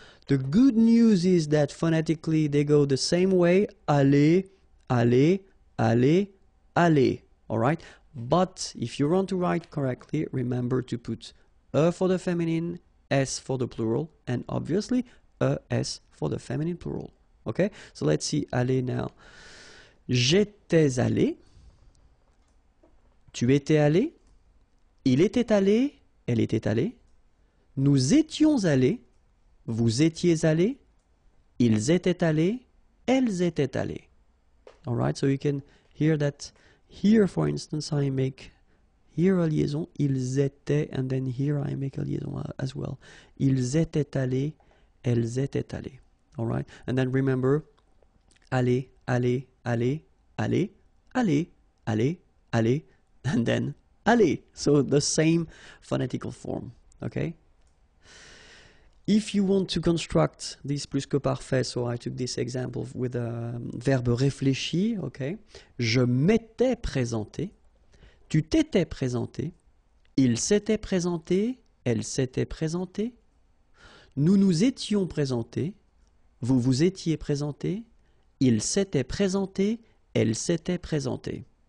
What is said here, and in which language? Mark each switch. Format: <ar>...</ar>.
<en>The good news is that phonetically they go the same way, aller, aller, aller, aller, all right? But if you want to write correctly, remember to put a for the feminine, s for the plural, and obviously a s for the feminine plural. Okay, so let's see aller now.</en> <fr>J'étais allé, tu étais allé, il était allé, elle était allée, nous étions allés, vous étiez allés, ils étaient allés, elles étaient allées.</fr> <en>All right, so you can hear that here, for instance, I make here a liaison,</en> <fr>ils étaient,</fr> <en>and then here I make a liaison as well.</en> <fr>Ils étaient allés, elles étaient allées.</fr> <en>All right, and then remember,</en> <fr>aller, aller, aller, aller, aller, aller, aller, and then aller.</fr> <en>So the same phonetical form, okay? If you want to construct this plus que parfait, so I took this example with a verbe réfléchi, okay?</en> <fr>Je m'étais présenté, tu t'étais présenté, il s'était présenté, elle s'était présentée, nous nous étions présentés, vous vous étiez présenté, il s'était présenté, elle s'était présentée.</fr>